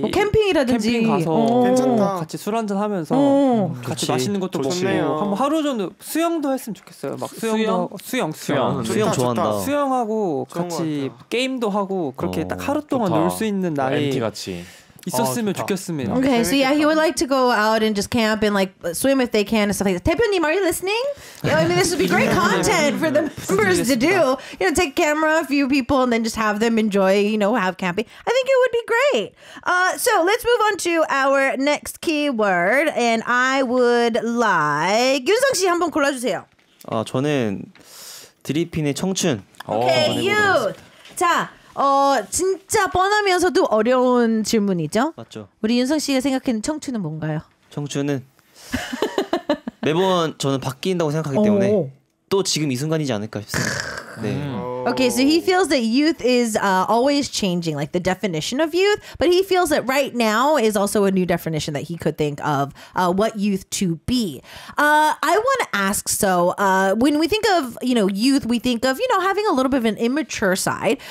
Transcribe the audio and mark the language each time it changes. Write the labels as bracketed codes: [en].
[ko] 뭐 캠핑이라든지. 가서 괜찮다. 같이 술 한잔 하면서 같이 맛있는 것도 먹고 한번 하루 정도 수영도 했으면 좋겠어요. 막 수영 좋다, 좋아한다. 수영하고 같이 게임도 하고 그렇게 딱 하루 동안 놀 수 있는 날이 같이 있었으면 좋겠습니다. [en] Okay, so yeah, he would like to go out and just camp and like swim if they can and stuff like that. 대표님, are you listening? Yeah, I mean, this would be great content for the members to do. You know, take a camera, a few people, and then just have them enjoy, you know, have camping. I think it would be great. So let's move on to our next keyword. And I would like... [ko] 윤성 씨, 한번 골라주세요. 저는 드리핀의 청춘. [en] Okay, youth. [ko] 자, 진짜 뻔하면서도 어려운 질문이죠. 맞죠. 우리 윤성 씨가 생각하는 청춘은 뭔가요? 청춘은 매번 저는 바뀐다고 생각하기 때문에 또 지금 이 순간이지 않을까 싶습니다. 네. [en] Okay, so he feels that youth is always changing, like the definition of youth, but he feels that right now is also a new definition that he could think of what youth to be. I want to ask, so when we think of, you know, youth, we think of, you know, having a little bit of an immature side.